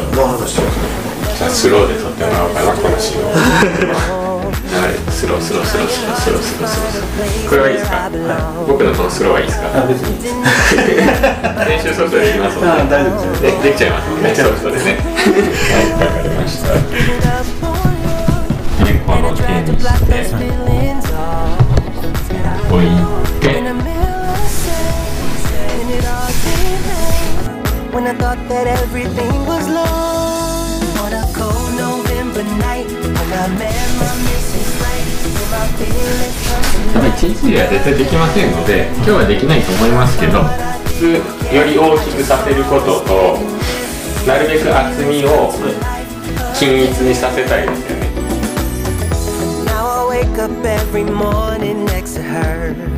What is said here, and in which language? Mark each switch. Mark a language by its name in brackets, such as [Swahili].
[Japanese] 回るでしょ。スローで撮ってもらおうかな、このシーンを。流れスロースロースロースロースロースロースロースロー、これはいいですか、はい、僕のこのスローはいいですか、あ、別に練習ソフトできますもんね、あ、大丈夫ですね、できちゃいますもんね、ソフトでね、はい、わかりました。で、この手にして置いて、 [English] when I thought that everything was lost, on a cold November night, when I met my missus right, when my feelings come to life. [Japanese] 多分1日では絶対できませんので、今日はできないと思いますけど、より大きくさせることと、なるべく厚みを均一にさせたいですよね。 [English] Now I wake up every morning next to her.